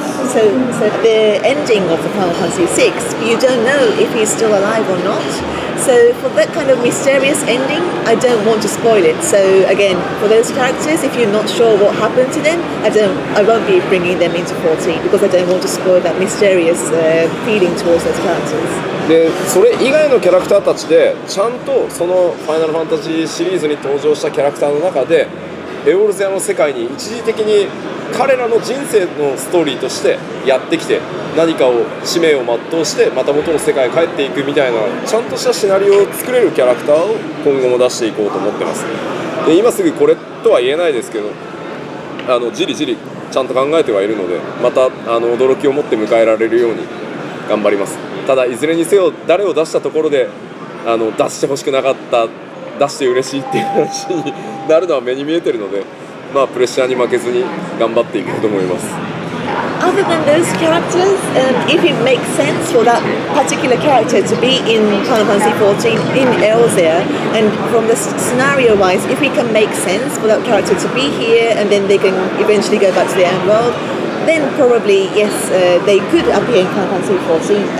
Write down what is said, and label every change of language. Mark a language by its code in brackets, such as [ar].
[en] So the ending of the Final Fantasy VI, you don't know if he's still alive or not. So for that kind of mysterious ending, I don't want to spoil it. So again, for those characters, if you're not sure what happened to them, I won't be bringing them into 14 because I don't want to spoil that mysterious feeling towards those characters. [ja] で、それ以外のキャラクターたちで、ちゃんとそのファイナルファンタジーシリーズに登場したキャラクターの中で、エオルゼアの世界に一時的に彼らの人生のストーリーとしてやってきて、何かを使命を全うしてまた元の世界へ帰っていくみたいな、ちゃんとしたシナリオを作れるキャラクターを今後も出していこうと思ってます。で、今すぐこれとは言えないですけど、じりじりちゃんと考えてはいるので、また驚きを持って迎えられるように頑張ります。ただいずれにせよ誰を出したところで出してほしくなかった、出して嬉しいっていう話になるのは目に見えてるので、まあ、プレッシャーに負けずに頑張っていくと思います。 [en] Other than those characters, if it makes sense for that particular character to be in Final Fantasy XIV in Eorzea, and from the scenario-wise, if it can make sense for that character to be here and then they can eventually go back to their own world, then probably, yes, they could appear in Final Fantasy XIV.